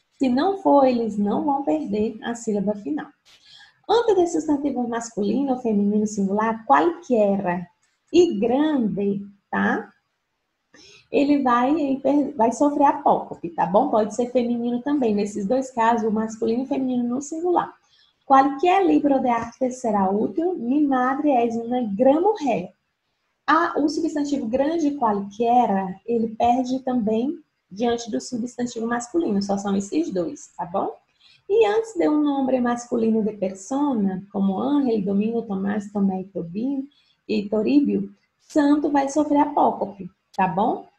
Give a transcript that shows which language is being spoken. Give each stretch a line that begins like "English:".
Portuguese: Se não for, eles não vão perder a sílaba final. Antes do substantivo masculino ou feminino singular, qualquer e grande, tá? Ele vai sofrer apócope, tá bom? Pode ser feminino também. Nesses dois casos, masculino e feminino no singular. Qualquer livro de arte será útil.
Spanish: Mi madre es una gran mujer.
Portuguese: O substantivo grande, qualquer, ele perde também diante do substantivo masculino. Só são esses dois, tá bom? E antes de um nome masculino de persona, como Ángel, Domingo, Tomás, Tomé e Toríbio, santo vai sofrer apócope, tá bom?